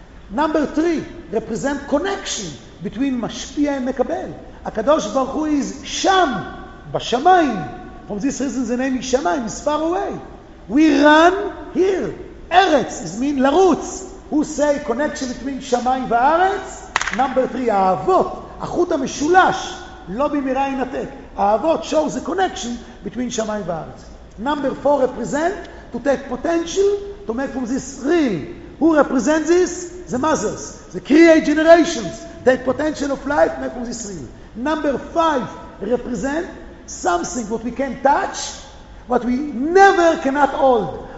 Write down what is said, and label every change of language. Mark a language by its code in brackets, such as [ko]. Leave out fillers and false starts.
[en] Number three, represent connection between mashpia and mekabel. HaKadosh Baruch Hu is sham, bashamayim. From this reason the name is shamayim, is far away. We run here. Eretz is mean larutz. Who say connection between shamayim va'aretz? [he] Number three, האבות, החוט המשולש, לא במהרה ינתק. [en] האבות shows the connection between שמיים וארץ. Number four, represent, to take potential, to make from this real. Who represents this? The mothers, the create generations, take potential of life, make from this real. Number five, represent something what we can touch, what we never cannot hold.